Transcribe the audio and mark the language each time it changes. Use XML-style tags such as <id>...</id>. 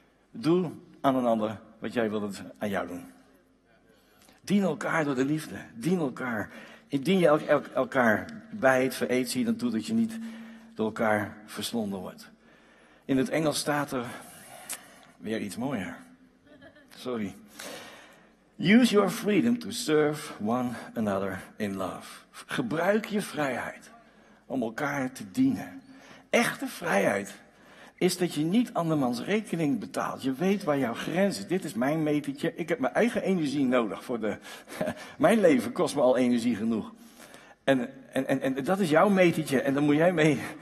<nl>Doe aan een ander wat jij wil dat aan jou doen. Dien elkaar door de liefde. Dien elkaar. Indien je elkaar bij het vereet, zie je dan toe dat je niet door elkaar verslonden wordt. In het Engels staat er weer iets mooier. Sorry.</nl> <en>Use your freedom to serve one another in love.</en> <nl>Gebruik je vrijheid om elkaar te dienen. Echte vrijheid is dat je niet andermans rekening betaalt. Je weet waar jouw grens is. Dit is mijn metertje. Ik heb mijn eigen energie nodig. Mijn leven kost me al energie genoeg. En dat is jouw metertje en daar moet jij mee.</nl>